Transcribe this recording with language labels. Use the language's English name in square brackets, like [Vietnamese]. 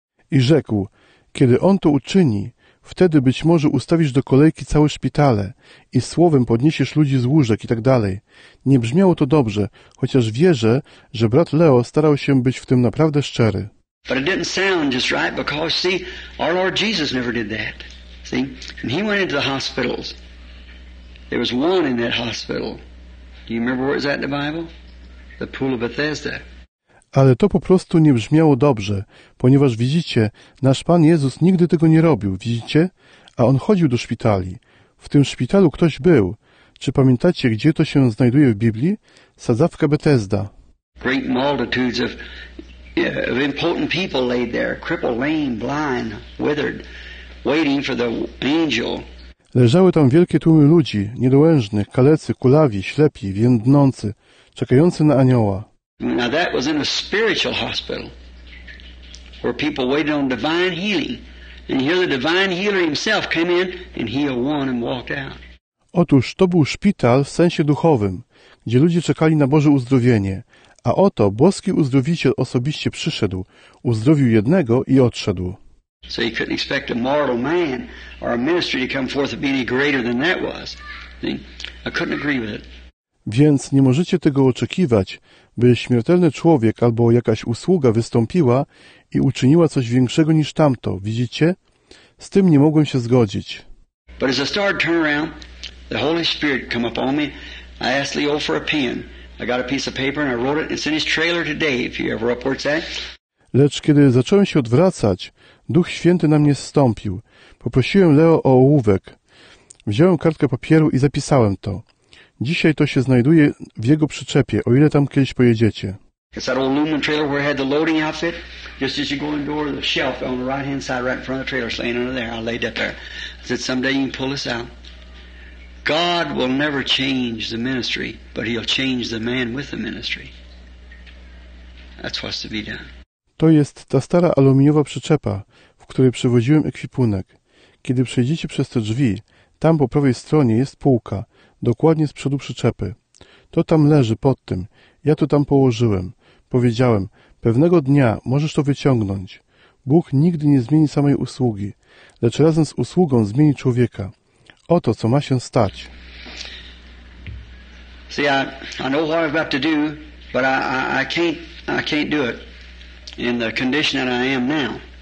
[Polish] I rzekł, kiedy on to uczyni, wtedy być może ustawisz do kolejki całe szpitale i słowem podniesiesz ludzi z łóżek i tak dalej. Nie brzmiało to dobrze, chociaż wierzę, że brat Leo starał się być w tym naprawdę szczery. [English] But it didn't sound just right because, see, our Lord Jesus never did that. See, and he went into the hospitals. There was one in that hospital. Do you remember where it's at in the Bible? The Pool of Bethesda. [Polish] Ale to po prostu nie brzmiało dobrze, ponieważ widzicie, nasz Pan Jezus nigdy tego nie robił, widzicie? A On chodził do szpitali. W tym szpitalu ktoś był. Czy pamiętacie, gdzie to się znajduje w Biblii? Sadzawka Bethesda. [English] Great multitudes of... Of important people lay there, crippled, lame, blind, withered, waiting for the angel. [Polish] Leżały tam wielkie tłumy ludzi, niedołężnych, kalecy, kulawi, ślepi, więdnący, czekający na anioła. [English] Now that was in a spiritual hospital, where people waited on divine healing, and here the divine healer himself came in and healed one and walked out. [Polish] Otóż to był szpital w sensie duchowym, gdzie ludzie czekali na Boże uzdrowienie. A oto boski uzdrowiciel osobiście przyszedł, uzdrowił jednego i odszedł. [English] So he couldn't expect a mortal man or a ministry to come forth to be any greater than that was. I couldn't agree with it. [Polish] Więc nie możecie tego oczekiwać, by śmiertelny człowiek albo jakaś usługa wystąpiła i uczyniła coś większego niż tamto, widzicie? Z tym nie mogłem się zgodzić. [English] But as I started to turn around, the Holy Spirit came upon me. I asked Leo for a pen. I got a piece of paper and I wrote it. It's in his trailer today, if you ever up where it's at. [Polish] Lecz kiedy zacząłem się odwracać, Duch Święty na mnie zstąpił. Poprosiłem Leo o ołówek. Wziąłem kartkę papieru i zapisałem to. Dzisiaj to się znajduje w jego przyczepie, o ile tam kiedyś pojedziecie. [English] It's that old Lumen trailer where I had the loading outfit. Just as you go in the door, the shelf on the right hand side, right in front of the trailer, laying under there. I laid that there. I said, someday you can pull this out. God will never change the ministry, but he'll change the man with the ministry. That's what's to be done. [Polish] To jest ta stara aluminiowa przyczepa, w której przewoziłem ekwipunek. Kiedy przejdziecie przez te drzwi, tam po prawej stronie jest półka, dokładnie z przodu przyczepy. To tam leży, pod tym. Ja to tam położyłem. Powiedziałem, pewnego dnia możesz to wyciągnąć. Bóg nigdy nie zmieni samej usługi, lecz razem z usługą zmieni człowieka. Oto, co ma się stać. [English] See, I know what I've got to do, but I can't do it in the condition that I am now.